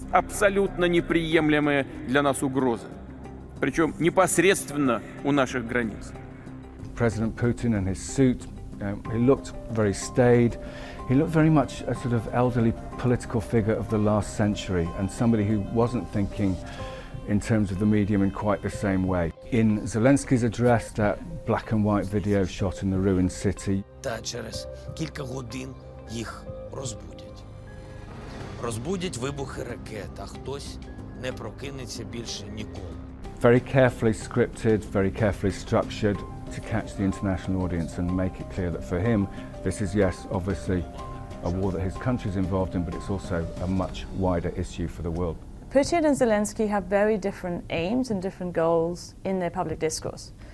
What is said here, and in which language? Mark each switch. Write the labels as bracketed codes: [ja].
[ru] Абсолютно неприемлемая для нас угроза, причем непосредственно у наших границ. [en] President Putin and his suit, he looked very staid. He looked very much a sort of elderly political figure of the last century and somebody who wasn't thinking in terms of the medium in quite the same way. In Zelensky's address, that black and white video shot in the ruined city. [uk] Їх розбудять. Розбудять вибухи ракет, а хтось не прокинеться більше ніколи. [en] Very carefully scripted, very carefully structured to catch the international audience and make it clear that for him, this is, yes, obviously a war that his country is involved in, but it's also a much wider issue for the world. Putin and Zelensky have very different aims and different goals in their public discourse.